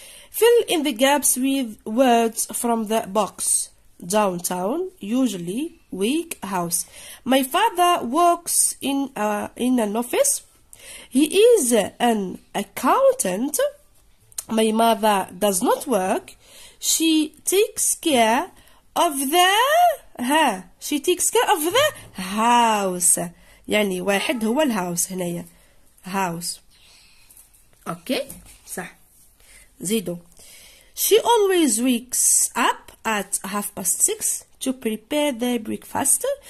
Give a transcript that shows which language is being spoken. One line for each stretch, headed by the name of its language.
English: fill in the gaps with words from the box downtown usually week house my father works in an office he is an accountant my mother does not work she takes care of the she takes care of the house
Arabic: يعني واحد هو الهاوس هنايا هاوس. اوكي صح. زيدو
English: she always wakes up at 6:30 to prepare their breakfast.